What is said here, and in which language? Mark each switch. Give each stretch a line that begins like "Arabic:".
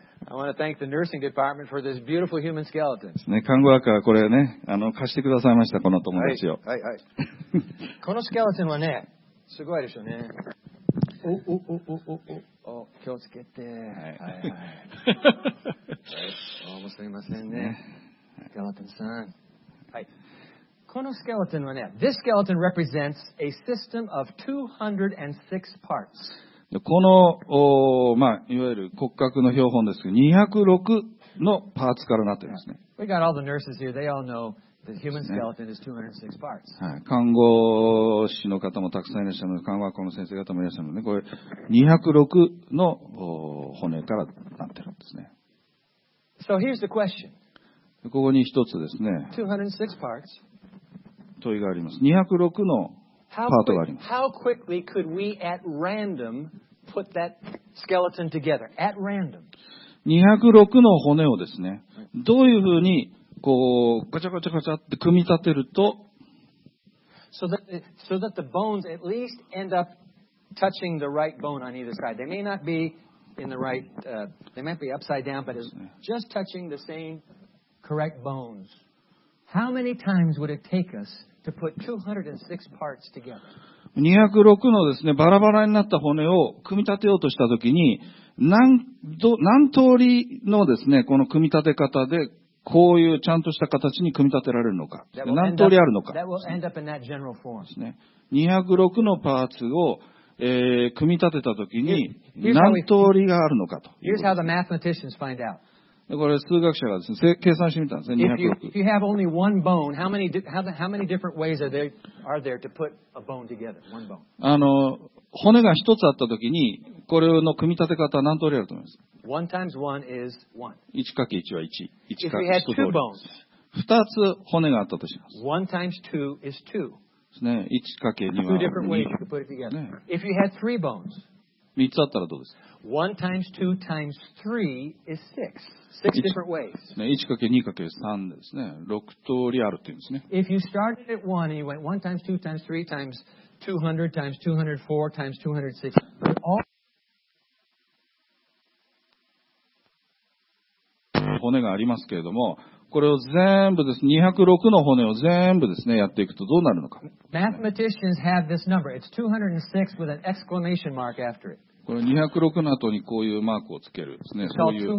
English: I want to thank the nursing department for this beautiful human skeleton.
Japanese: ね、看護学からこれね、貸してくださいました、この友達を。はい、はい、はい。このスケルトンはね、すごいでしょうね。おおおおおおお、気をつけて。はい、はい、はい。どうもすみませんね。スケルトンさん。はい。このスケルトンはね、
English: This skeleton represents a system of 206 parts.
Japanese: この、まあ、いわゆる骨格の標本ですけど、206のパーツからなっていますね。
English: We got all the nurses here. They all know the human skeleton is 206 parts.
Japanese: はい。看護師の方もたくさんいらっしゃるので、看護学校の先生方もいらっしゃるので、これ、206の骨からなっているんですね。
English: So here's the question.
Japanese: ここに一つですね。
English: 206 parts.
Japanese: 問いがあります。206のパートがあります。
English: How quickly could we at random put that skeleton together? At random.
Japanese: 206の骨をですね、どういうふうにこう、ガチャガチャガチャって組み立てると、
English: so that the bones at least end up touching the right bone on either side. They may not be in the right, they might be upside down, but it's just touching the same correct bones. How many times would it take us to put 206 parts together?
Japanese: 206のですね、バラバラになった骨を組み立てようとしたときに、何通りのですね、この組み立て方で、こういうちゃんとした形に組み立てられるのか、何通りあるのか、206のパーツを、組み立てたときに何通りがあるのかと。これ数学者がですね、計算してみたんですね。
English: If you have only one bone, how many different ways are there to put a bone together? One bone.
Japanese: 骨が一つあったときに、これの組み立て方は何通りあると思います？
English: 1 times 1 is 1.
Japanese: 1かけ1は1。
English: If we had two bones,
Japanese: 2つ骨があったとします。
English: 1 times 2 is 2.
Japanese: ですね。1かけ2は2。
English: Two different ways you could put it together. If you had three bones,
Japanese: 3つあったらどうですか？
English: 1 times 2 times 3 is 6. Six different ways.
Japanese: 1×2×3 ですね。 6通りあるっていうんですね。
English: If you started at 1 and you went 1 times 2 times 3 times 200 times 204 times 206, all
Japanese: 骨がありますけれども、これを全部ですね、206の骨を全部ですね、やっていくとどうなるのか。
English: Mathematicians have this number. It's 206 with an exclamation mark after it.
Japanese: これ206の後にこういうマークをつけるですね。そういう。